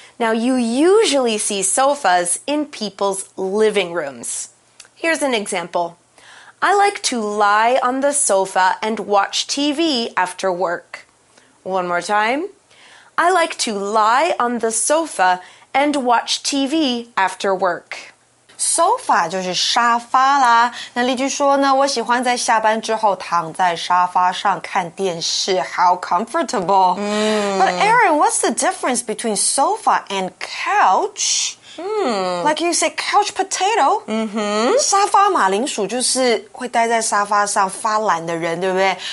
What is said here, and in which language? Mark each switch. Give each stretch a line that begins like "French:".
English: Now, you usually see sofas in people's living rooms. Here's an example. I like to lie on the sofa and watch TV after work. One more time. I like to lie on the sofa and watch TV after work.
Chinese: Sofa 就是沙发啦。那例句说呢，我喜欢在下班之后躺在沙发上看电视。
English: How comfortable.、 Mm. But Aaron, what's the difference between sofa and couch? Like you say, couch potato. 嗯哼，
Chinese: 沙发马铃薯就是会待在沙发上发懒的人，对不对？